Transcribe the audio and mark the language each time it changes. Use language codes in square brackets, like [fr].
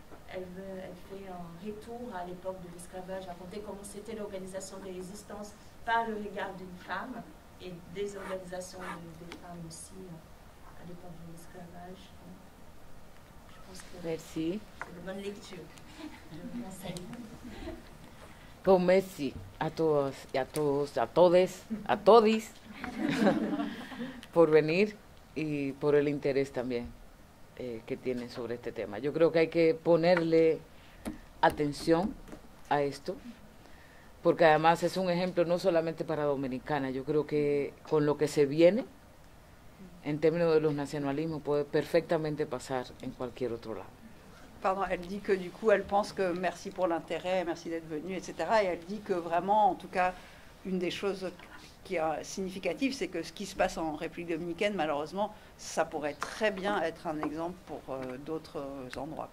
[fr] Elle fait un retour à l'époque de l'esclavage, raconter comment c'était l'organisation des résistances par le regard d'une femme et des organisations des femmes aussi à l'époque de l'esclavage. Je pense que merci. C'est une bonne lecture. Je vous conseille. Bon, merci à tous et à tous, à todes, à todis, pour venir et pour l'intérêt también. [es] Que tienen sobre este tema. Yo creo que hay que ponerle atención a esto, porque además es un ejemplo no solamente para Dominicana, yo creo que con lo que se viene en términos de los nacionalismos puede perfectamente pasar en cualquier otro lado. [fr] Pardon, elle dit que du coup, elle pense que merci pour l'intérêt, merci d'être venu, etc. Et elle dit que vraiment, en tout cas, une des choses qui est significative, c'est que ce qui se passe en République dominicaine, malheureusement, ça pourrait très bien être un exemple pour d'autres endroits.